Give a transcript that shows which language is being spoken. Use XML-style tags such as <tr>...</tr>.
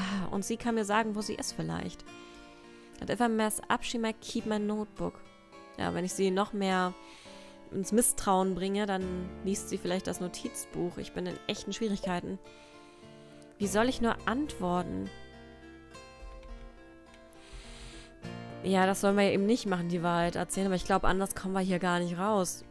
<de>Und sie kann mir sagen, wo sie ist vielleicht.</de> <en>And if I mess up, she might keep my notebook.</en> <de>Ja, wenn ich sie noch mehr ins Misstrauen bringe, dann liest sie vielleicht das Notizbuch. Ich bin in echten Schwierigkeiten. Wie soll ich nur antworten? Ja, das sollen wir eben nicht machen, die Wahrheit erzählen. Aber ich glaube, anders kommen wir hier gar nicht raus.</de>